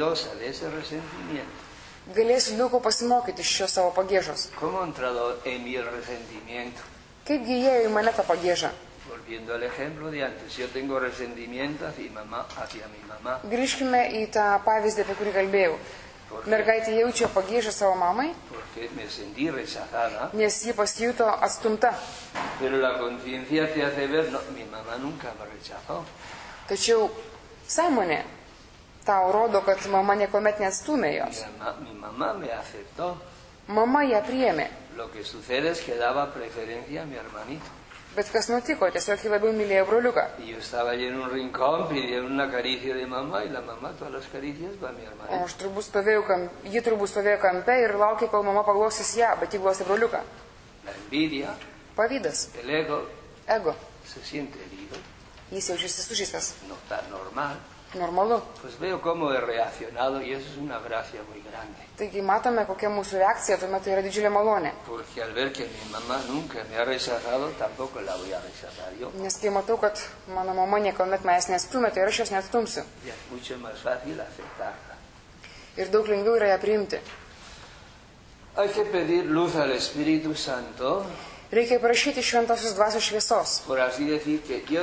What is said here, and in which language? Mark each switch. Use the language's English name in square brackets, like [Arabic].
[Lithuanian] Galėsiu daug ko pasimokyti iš šio savo pagiežos. Kaipgi įėjo į mane tą pagiežą? [Spanish] Viendo el ejemplo de antes, yo tengo resentimiento hacia mi mamá. [Lithuanian] Grįžkime į tą pavyzdį, apie kurį kalbėjau. Mergaitė jaučia pagiežą savo mamai. [Spanish] Porque me sentí rechazada. [Lithuanian] Nes ji pasijuto atstumta. [Spanish] Pero la conciencia te hace ver, no, mi mamá nunca me rechazó. [Lithuanian] Tačiau sąmonė tau rodo, kad mama niekuomet neatstumė jos. [Spanish] Mi mamá me aceptó. [Lithuanian] Mama ją priėmė. [Spanish] Lo que sucede es que daba preferencia a mi hermanito. [Lithuanian] Bet kas nutiko, tiesiog jį labiau mylėjo broliuką. [Spanish] Yo estaba en un rincón pidiendo una caricia de mamá y la mamá todas las caricias va a mi hermano. [Lithuanian] O aš turbūt stovėjau kampe, ji turbūt stovėjo kampe ir laukė, kol mama paglosis ją, bet ji glosė broliuką. [Spanish] La envidia. [Lithuanian] Pavydas. [Spanish] El ego. [Lithuanian] Ego. [Spanish] Se siente herido. [Lithuanian] Jis jaučiasi sužeistas. [Spanish] No está normal. [Lithuanian] Normalu. [Spanish] Pues veo cómo he reaccionado y eso es una gracia muy grande. [Lithuanian] Taigi matome, kokia mūsų reakcija, tuomet yra didžiulė malonė. [Spanish] Porque al ver que mi mamá nunca me ha rechazado, tampoco la voy a rechazar yo. [Lithuanian] Nes kai matau, kad mano mama niekuomet manęs nestumė, tai ir aš jos neatstumsiu. [Spanish] Es mucho más fácil aceptarla. [Lithuanian] Ir daug lengviau yra ją priimti. [Spanish] Hay que pedir luz al Espíritu Santo. [Lithuanian] Reikia prašyti šventosios dvasios šviesos.